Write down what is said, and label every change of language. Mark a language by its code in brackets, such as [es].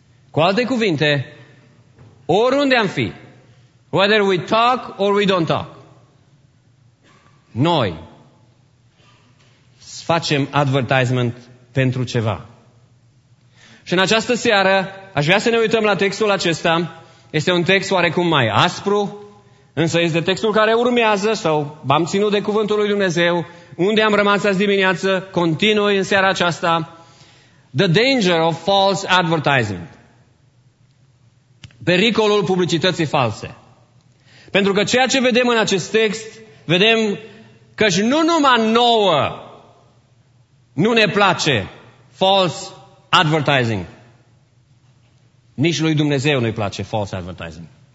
[ro] Cu alte cuvinte, oriunde am fi, [en] whether we talk or we don't talk, [ro] noi facem advertisement pentru ceva. Și în această seară aș vrea să ne uităm la textul acesta. Este un text oarecum mai aspru, însă este textul care urmează sau v-am ținut de cuvântul lui Dumnezeu. Unde am rămas azi dimineață, continui în seara aceasta. [en] The danger of false advertising. [ro] Pericolul publicității false. Pentru că ceea ce vedem în acest text, vedem că și nu numai nouă nu ne place [en] false advertising. [ro] Nici lui Dumnezeu nu-i place false advertising.